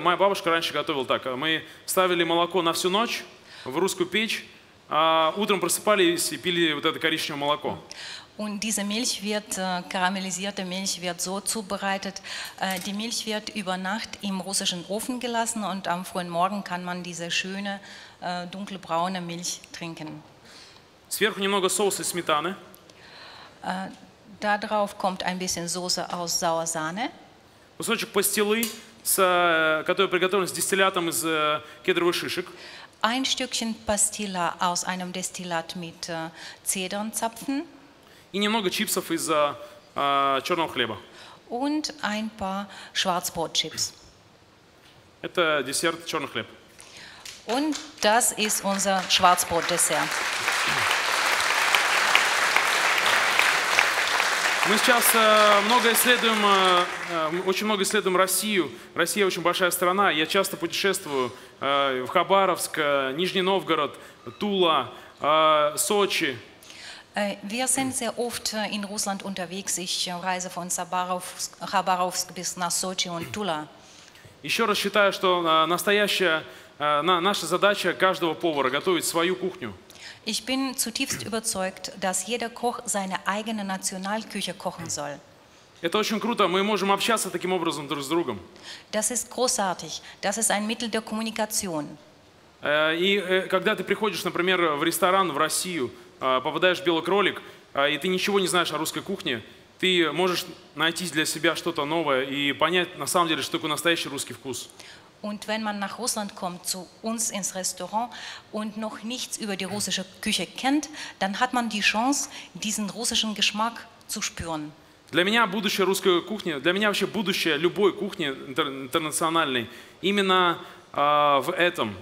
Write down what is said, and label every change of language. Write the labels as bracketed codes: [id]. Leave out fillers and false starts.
[ru] Моя бабушка раньше готовила так. Мы ставили молоко на всю ночь в русскую печь, а утром просыпались и пили вот это коричневое молоко. [de] Und diese Milch wird, karamellisierte Milch wird so zubereitet, die Milch wird über Nacht im russischen Ofen gelassen und am frühen Morgen kann man diese schöne, dunkelbraune Milch trinken. [ru] Сверху немного соуса из сметаны. [de] Darauf kommt ein bisschen Soße aus Sauersahne. [ru] Кусочек пастилы, который приготовлен с дистиллятом из кедровых шишек. [de] Ein Stückchen Pastilla aus einem Destillat mit Zedernzapfen. [ru] И немного чипсов из черного хлеба. [de] Und ein paar Schwarzbrotchips. [ru] Это десерт черный хлеб. [de] Und das ist unser Schwarzbrot-Dessert. [ru] Мы сейчас много исследуем, очень много исследуем Россию. Россия очень большая страна. Я часто путешествую в Хабаровск, Нижний Новгород, Тула, Сочи. [de] Wir sind sehr oft in Russland unterwegs. Ich reise von Khabarovsk bis nach Sochi und Tula. [ru] Еще раз считаю, что настоящая наша задача каждого повара готовить свою кухню. [de] Ich bin zutiefst überzeugt, dass jeder Koch seine eigene Nationalküche kochen soll. [ru] Это очень круто. Мы можем общаться таким образом друг с другом. [de] Das ist großartig. Das ist ein Mittel der Kommunikation. [ru] И когда ты приходишь, например, в ресторан в Россию, попадаешь в белый кролик, и ты ничего не знаешь о русской кухне, ты можешь найти для себя что-то новое и понять, на самом деле, что такое настоящий русский вкус. [de] Und wenn man nach Russland kommt, zu uns ins Restaurant und noch nichts über die russische Küche kennt, dann hat man die Chance, diesen russischen Geschmack zu spüren. [ru] Для меня будущее русской кухни, для меня вообще будущее любой кухни интернациональной, именно в этом.